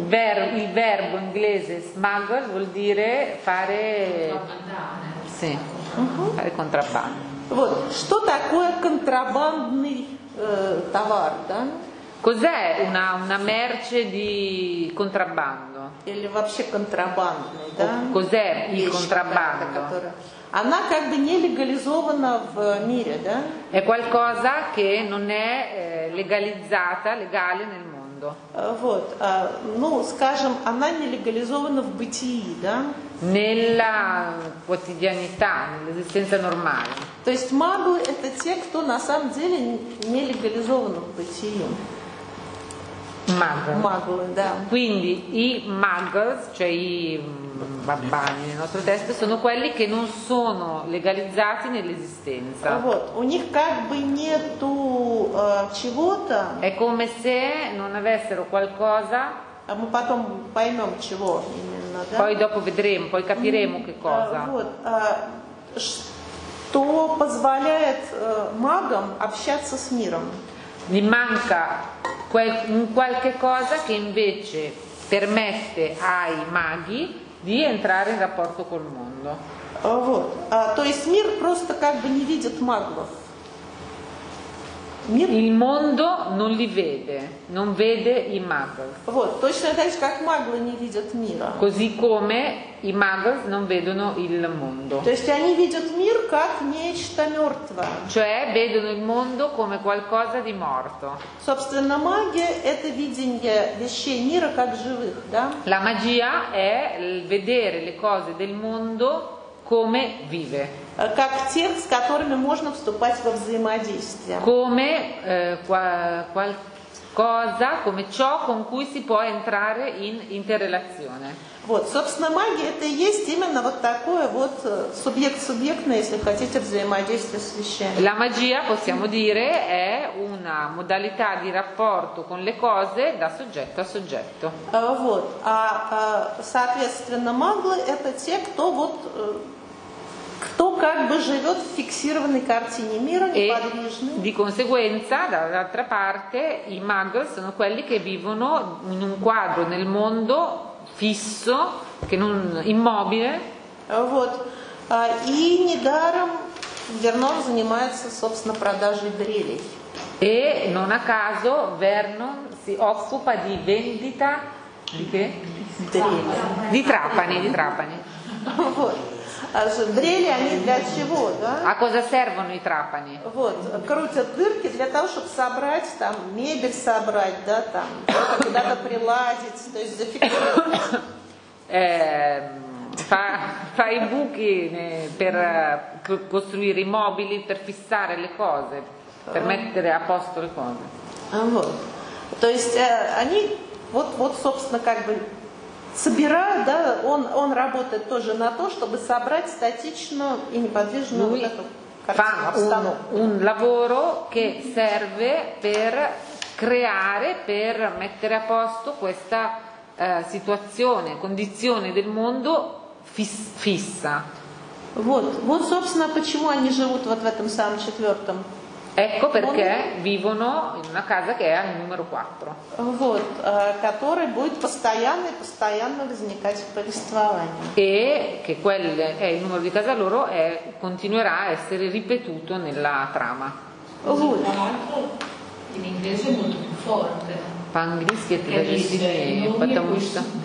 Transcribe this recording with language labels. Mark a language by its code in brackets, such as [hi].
[it] Il verbo inglese smuggle vuol dire fare. Sì. Fare contrabbando. [ru] Вот. Что такое контрабандный товар, да? [it] Cos'è una merce di contrabbando? [ru] Или вообще контрабандный, да? [it] Cos'è il contrabbando? [ru] Она как бы не легализована в мире, да? [it] È qualcosa che non è legalizzata, legale nel mondo. [ru] Вот. Ну, скажем, она не легализована в бытии, да? [it] Nella quotidianità, nell'esistenza normale. [ru] То есть маглы это те, кто на самом деле не легализованы в бытии. [en] Muggle. [ru] Muggle, да. [it] Quindi i muggles, cioè i babbani nel nostro testo, sono quelli che non sono legalizzati nell'esistenza. [ru] Вот. У них как бы нету чего-то. [it] È come se non avessero qualcosa. [ru] Мы потом поймем чего именно, да? [it] Poi dopo vedremo, poi capiremo che cosa. [ru] Вот. Что позволяет магам общаться с миром? [it] Gli manca un qualche cosa che invece permette ai maghi di entrare in rapporto col mondo. [ru] То есть мир просто как бы не видит маглов. [it] Il mondo non li vede, non vede i muggle. [ru] Вот, точно так же, как маглы не видят мира. [it] Così come i muggle non vedono il mondo. [ru] То есть они видят мир как нечто мертвое. [it] Cioè vedono il mondo come qualcosa di morto. [ru] Собственно, магия это видение вещей мира как живых, да? [it] La magia è il vedere le cose del mondo come vive. [ru] Как тех, с которыми можно вступать во взаимодействие. [it] Come qualcosa, come ciò con cui si può entrare in interrelazione. [ru] Вот, собственно, магия это и есть именно вот такое вот субъект-субъектное, если хотите, взаимодействие с вещами. [it] La magia, possiamo dire, è una modalità di rapporto con le cose da soggetto a soggetto. [ru] Вот. А соответственно, маглы это те, кто вот кто как бы живет в фиксированной картине мира, неподвижный. [it] Di conseguenza, dall'altra parte, i muggle sono quelli che vivono in un quadro nel mondo fisso, che non immobile. [ru] Вот. И недаром Вернон занимается, собственно, продажей дрелей. [it] E non a caso Vernon si occupa di vendita di che? [ru] Дрели. [it] Di trapani, di trapani. [ru] Вот. Дрели они для чего, да? [it] А cosa servono i trapani? [ru] Вот, крутят дырки для того, чтобы собрать там мебель собрать, да, там куда-то приладить, то есть зафиксировать. [it] Fa i buchi per costruire i mobili, per fissare le cose, per mettere a posto le cose. [ru] Вот. То есть они вот, собственно, как бы собирают, да, он работает тоже на то, чтобы собрать статичную и неподвижную вот эту картину. [it] Un lavoro che serve per creare, per mettere a posto questa situazione, condizione del mondo fissa. [ru] Вот, собственно, почему они живут вот в этом самом четвертом. [it] Ecco perché vivono in una casa che è al numero 4. [ru] Вот, который будет постоянно возникать в повествовании. [it] E che quel è il numero di casa loro è continuerà a essere ripetuto nella trama. [ru] Вот. [it] In inglese è molto più forte. [ru] По-английски это даже сильнее, потому что...